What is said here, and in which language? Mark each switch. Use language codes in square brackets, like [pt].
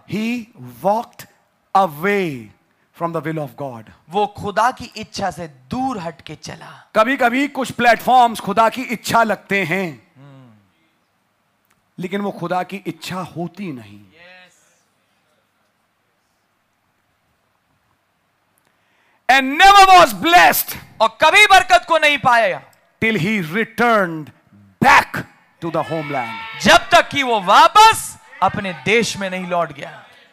[en] He walked away from the will of God. [hi] वो खुदा की इच्छा से दूर हट के चला. कभी कभी कुछ प्लेटफॉर्म्स खुदा की इच्छा लगते हैं, लेकिन वो खुदा की इच्छा होती नहीं. [en] And never was blessed. [hi] और कभी बरकत को नहीं पाया. [en] Till he returned back to the homeland. [hi] जब तक कि वो वापस अपने देश में नहीं लौट गया.